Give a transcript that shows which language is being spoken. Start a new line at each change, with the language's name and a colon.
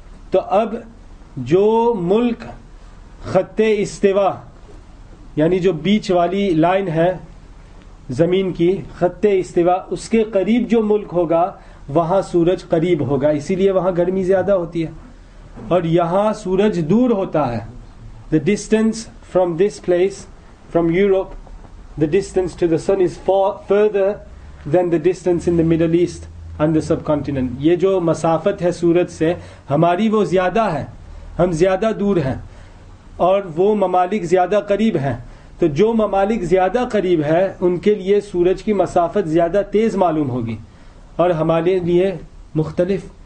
Urdu: تو اب جو ملک خط استوا, یعنی جو بیچ والی لائن ہے زمین کی خط استوا, اس کے قریب جو ملک ہوگا وہاں سورج قریب ہوگا, اسی لیے وہاں گرمی زیادہ ہوتی ہے, اور یہاں سورج دور ہوتا ہے.
English: The distance from this place, from Europe, the distance to the sun is far further than the distance in the Middle East and the subcontinent.
Urdu: یہ جو مسافت ہے سورج سے ہماری وہ زیادہ ہے, ہم زیادہ دور ہیں, اور وہ ممالک زیادہ قریب ہیں. تو جو ممالک زیادہ قریب ہے ان کے لیے سورج کی مسافت زیادہ تیز معلوم ہوگی, اور ہمارے لیے مختلف.